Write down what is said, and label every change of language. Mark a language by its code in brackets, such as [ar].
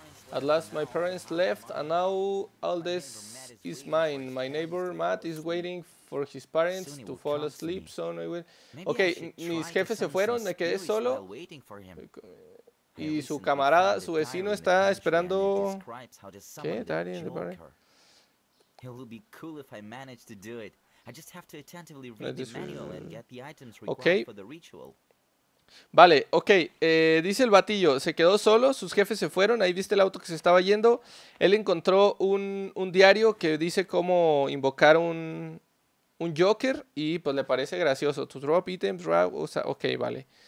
[en] At last my parents left and now all this is mine. My neighbor Matt is waiting for his parents to fall asleep, so I will... [es] Ok, mis jefes se fueron, me quedé solo. Y su camarada, su vecino está esperando... ¿Qué? [en] Daddy in the bar. It will be cool if I manage to do it. I just have to attentively read the manual and get the items required okay. for the ritual. [es] Vale, ok. Dice el batillo, se quedó solo, sus jefes se fueron. Ahí viste el auto que se estaba yendo. Él encontró un diario que dice cómo invocar un Joker. Y pues le parece gracioso. [en] To drop items, drop, [es] o sea, ok, vale.